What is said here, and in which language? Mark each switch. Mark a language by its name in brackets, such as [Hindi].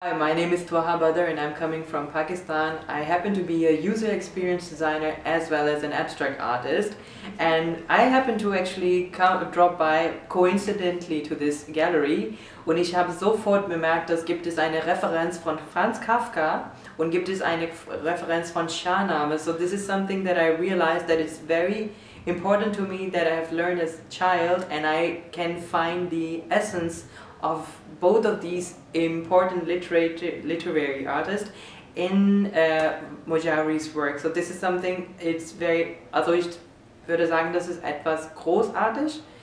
[English] Hi, my name is Twaha Badr and I'm coming from Pakistan. I happen to be a user experience designer as well as an abstract artist. And I happen to actually drop by coincidentally to this gallery. [German] Und ich habe sofort bemerkt, dass gibt es eine Referenz von Franz Kafka und gibt es eine Referenz von Schahnameh. [English] So this is something that I realized that it's very important to me that I have learned as a child and I can find the essence of both of these important literary artists in Mojavari's work. So this is something, it's very, [German] also ich würde sagen, das ist etwas großartig.